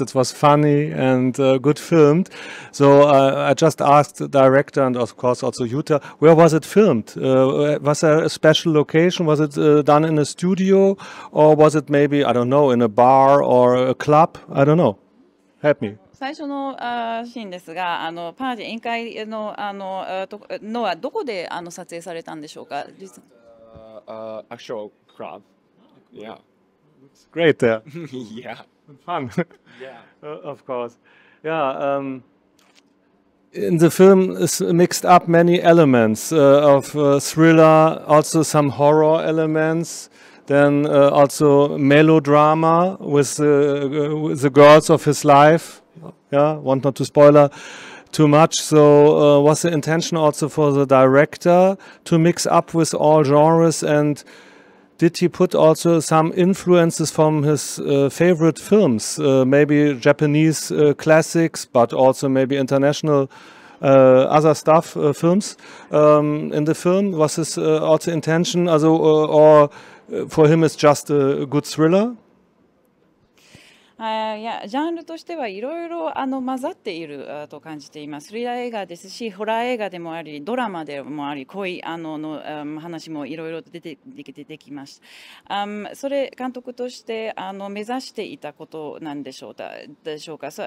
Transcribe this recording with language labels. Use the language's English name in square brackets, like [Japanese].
[English] It was funny and good filmed. So I just asked the director and of course also Jutta, where was it filmed? Was there a special location? Was it done in a studio? Or was it maybe, I don't know, in a bar or a club? I don't know. Help me. [Japanese] 最初のシーンですが、あのパーティー宴会のあのとのはどこであの撮影されたんでしょうか。実は、 [English] actual club. Yeah. It's great there. Yeah. Fun. Yeah. Of course. Yeah. In the film is mixed up many elements of thriller, also some horror elements. Then also melodrama with the girls of his life. Yeah, want not to spoiler too much. So was the intention also for the director to mix up with all genres? And did he put also some influences from his favorite films? Maybe Japanese classics, but also maybe international other stuff, films in the film? Was his also intention? Also, or for him it's just a good thriller? [Japanese] いや、ジャンルとしてはいろいろ混ざっていると感じています。スリラー映画ですし、ホラー映画でもあり、ドラマでもあり、恋の話もいろいろ出てきました。それ、監督として目指していたことなんでしょうか。